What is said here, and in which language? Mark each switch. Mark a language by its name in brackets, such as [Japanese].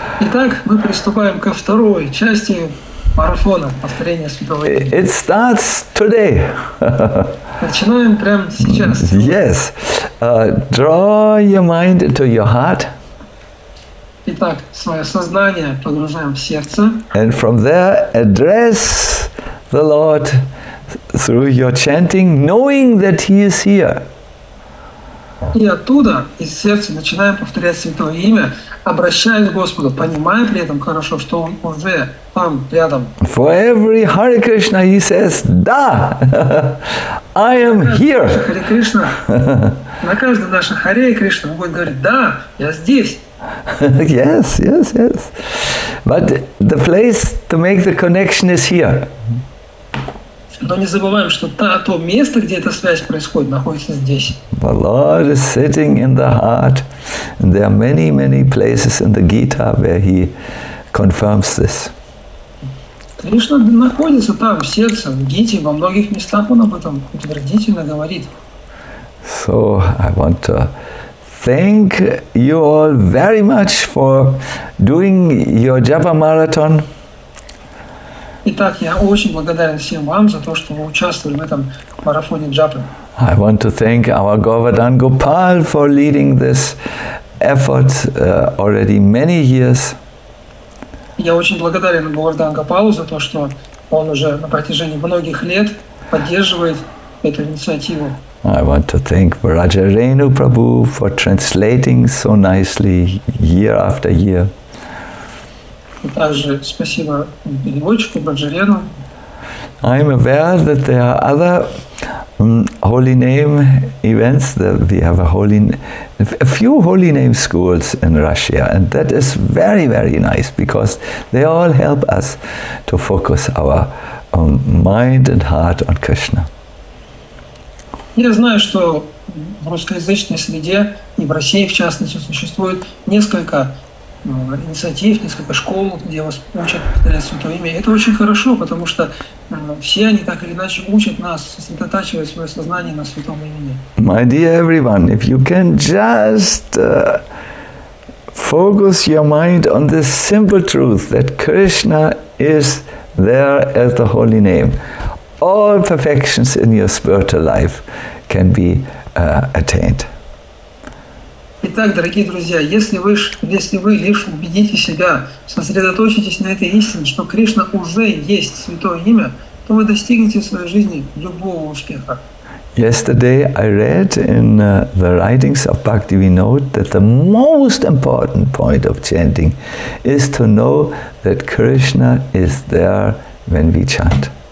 [Russian] Итак, мы приступаем ко второй части марафона повторения святого имени. [English] It starts today. [Russian] Начинаем прямо сейчас. [English] Yes. Draw your mind to your heart. [Russian] Итак, свое сознание погружаем в сердце. [English] And from there address the Lord through your chanting, knowing that He is here. [Russian] И оттуда, из сердца, начинаем повторять Святое Имя, обращаясь к Господу, понимая при этом хорошо, что Он уже там, рядом. [English] For every Hare Krishna, He says, Da! I am here! [Russian] Hare Krishna, на каждый наш Hare Krishna будет говорить, Да, я здесь! [English] Yes, yes, yes. But the place to make the connection is here. [Russian] Но не забываем, что то место, где эта связь происходит, находится здесь. [English] The Lord is sitting in the heart. And there are many, many places in the Gita where He confirms this. [Russian] Кришна находится там, в сердце, в Гите, во многих местах Он об этом утвердительно говорит. [English] So I want to thank you all very much for doing your Japa Marathon. [Russian] Итак, я очень благодарен всем вам за то, что вы участвовали в этом марафоне Джапы. [English] I want to thank our Govardhan Gopal for leading this effort already many years. [Russian] Я очень благодарен Говардан Гопалу за то, что он уже на протяжении многих лет поддерживает эту инициативу. [English] I want to thank Viraja Renu Prabhu for translating so nicely year after year. [Russian] Также спасибо переводчику Баджарену. [English] I am aware that there are other holy name events that we have a few holy name schools in Russia, and that is very, very nice because they all help us to focus our mind and heart on Krishna. [Russian] Я знаю, что в русскоязычной среде и в России, в частности, существует несколько инициатив, несколько школ, где вас учат повторять Святое Имя. Это очень хорошо, потому что все они так или иначе учат нас сосредотачивать свое сознание на Святом Имени. [English] My dear everyone, if you can just focus your mind on this simple truth that Krishna is there as the holy name, all perfections in your spiritual life can be attained. [Russian] Итак, дорогие друзья, если вы лишь убедите себя, сосредоточитесь на этой истине, что Кришна уже есть Святое Имя, то вы достигнете в своей жизни любого успеха. [English] Yesterday I read in the writings of Bhaktivinoda that the most important point of chanting is to know that Krishna is there when we chant.